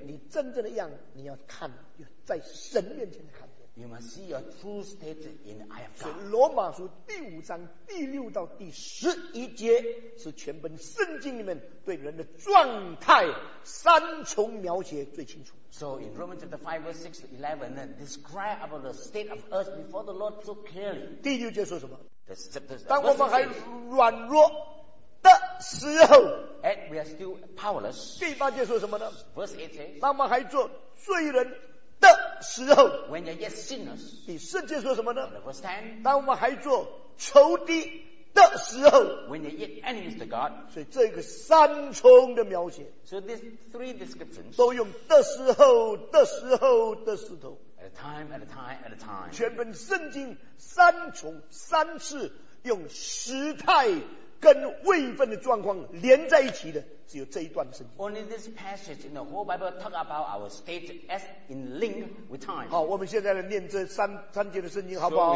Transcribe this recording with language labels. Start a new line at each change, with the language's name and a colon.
Chinese: 你真正的样，你要看，要在神面前看。
English: You must see your true state in the eye of God.
Chinese: 罗马书第五章第六到第十一节是全本圣经里面对人的状态三重描写最清楚。
English: So in Romans chapter 5 verse 6 to 11, describe about the state of earth before the Lord so clearly.
Chinese: 第六节说什么？
English: The
Chinese: 当我们还软弱的时候。
English: And we are still powerless.
Chinese: 第八节说什么呢？
English: Verse 8 says.
Chinese: 当我们还做罪人。的时候
English: ，When you're yet sinners，
Chinese: 第四节说什么呢
English: ？The verse ten，
Chinese: 当我们还做仇敌的时候
English: ，When you're yet enemies to God，
Chinese: 所以这个三重的描写
English: ，So these three descriptions
Chinese: 都用的时候、的时候、的时候
English: ，At a time, at a time, at a time，
Chinese: 全本圣经三重三次用时态跟位分的状况连在一起的。只有这一段圣经。
English: Only this passage in the whole Bible talk about our state as in link with time.
Chinese: 好，我们现在来念这三节的圣经，好不好